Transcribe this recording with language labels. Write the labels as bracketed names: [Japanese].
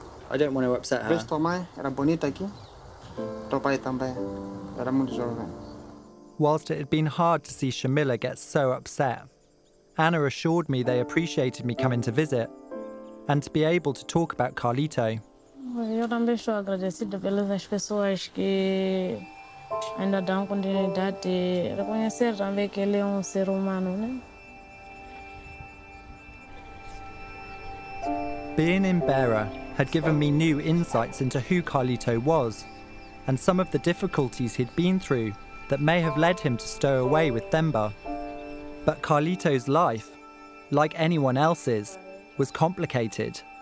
[English] I don't want to upset her. [Portuguese] Vês tua mãe? Era bonita aqui. Teu pai também. Era muito jovem. [English] Whilst it had been hard to see Shamila get so upset, Anna assured me they appreciated me coming to visit and to be able to talk about Carlito. [Portuguese] Eu também estou agradecida pelas pessoas que ainda dão continuidade a reconhecer também que ele é ser humano, né? [English] Being in Beira had given me new insights into who Carlito was and some of the difficulties he'd been through that may have led him to stow away with Themba. But Carlito's life, like anyone else's, was complicated.